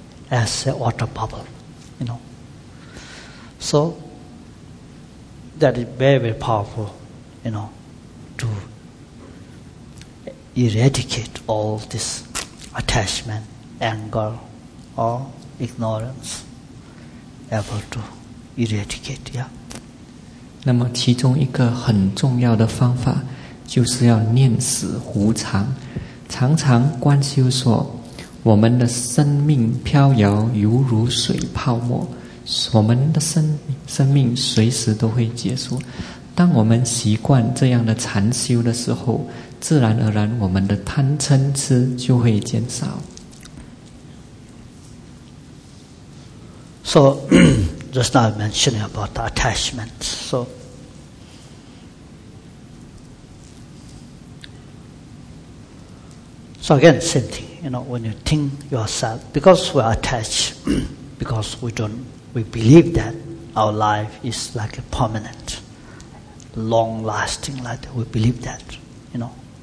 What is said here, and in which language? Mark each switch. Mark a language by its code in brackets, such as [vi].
[en] As a water bubble, you know. So, that is very, very powerful, you know, to eradicate all this attachment, anger, or ignorance, ever to eradicate, yeah. [zh] 那么其中一个很重要的方法就是要念死无常，常常观修说我们的生命飘摇犹如水泡沫，我们的生命随时都会结束。当我们习惯这样的禅修的时候，自然而然我们的贪嗔痴就会减少。 [en] So just now mentioning about the attachment, so again same thingYou know, when you think yourself, because we're attached, because we believe that our life is like a permanent, long-lasting life, we believe that, you know.